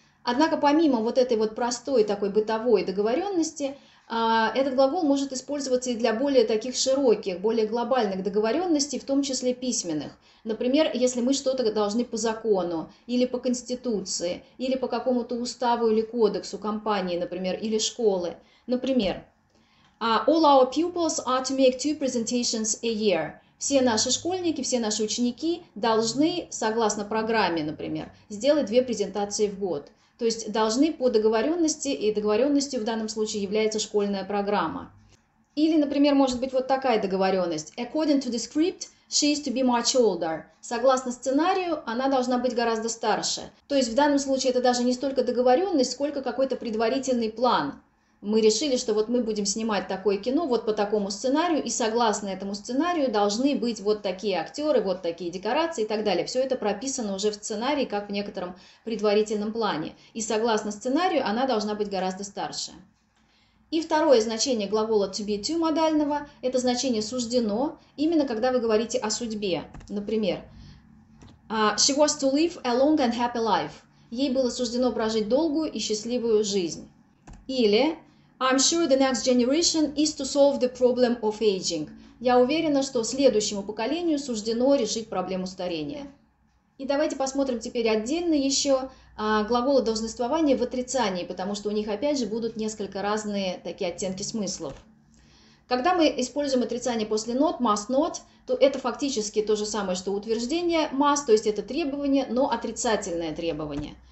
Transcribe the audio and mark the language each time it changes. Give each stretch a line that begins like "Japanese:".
Russian: Однако помимо вот этой вот простой такой бытовой договоренности, этот глагол может использоваться и для более таких широких, более глобальных договоренностей, в том числе письменных. Например, если мы что-то должны по закону, или по конституции, или по какому-то уставу или кодексу компании, например, или школы. Например,
English: all our pupils are to make 2 presentations a year.
Russian: Все наши школьники, все наши ученики должны, согласно программе, например, сделать 2 презентации в год. То есть должны по договоренности, и договоренностью в данном случае является школьная программа. Или, например, может быть вот такая договоренность.
English: According to the script, she is to be much older.
Russian: Согласно сценарию, она должна быть гораздо старше. То есть в данном случае это даже не столько договоренность, сколько какой-то предварительный план. Мы решили, что вот мы будем снимать такое кино вот по такому сценарию, и согласно этому сценарию должны быть вот такие актеры, вот такие декорации и так далее. Все это прописано уже в сценарии, как в некотором предварительном плане. И согласно сценарию, она должна быть гораздо старше. И второе значение глагола to be to модального – это значение суждено, именно когда вы говорите о судьбе. Например,
English: she was to live a long and happy life.
Russian: Ей было суждено прожить долгую и счастливую жизнь. Или
English: I'm sure the next generation is to solve the problem of aging.
Russian: Я уверена, что следующему поколению суждено решить проблему старения. И давайте посмотрим теперь отдельно еще глаголы должноствования в отрицании, потому что у них опять же будут несколько разные такие оттенки смыслов. Когда мы используем отрицание после not, must not, то это фактически то же самое, что утверждение must, то есть это требование, но отрицательное требование.